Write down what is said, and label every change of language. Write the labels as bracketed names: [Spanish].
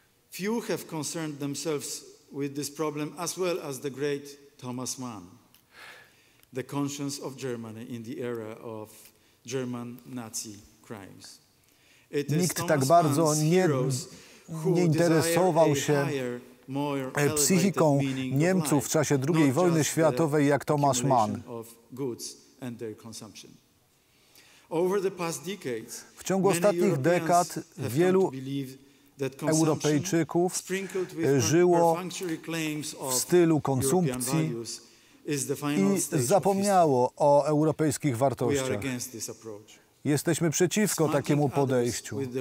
[English] Few have concerned themselves with this problem as well as the great Thomas Mann, the conscience of Germany in the era of German Nazi crimes. [Polish] It Nikt tak bardzo nie interesował się psychiką Niemców w czasie II wojny światowej jak Thomas Mann. [English] Of goods and their consumption. Over the past decades, [Polish] w ciągu ostatnich dekad wielu Europejczyków żyło w stylu konsumpcji i zapomniało o europejskich wartościach. Jesteśmy przeciwko takiemu podejściu.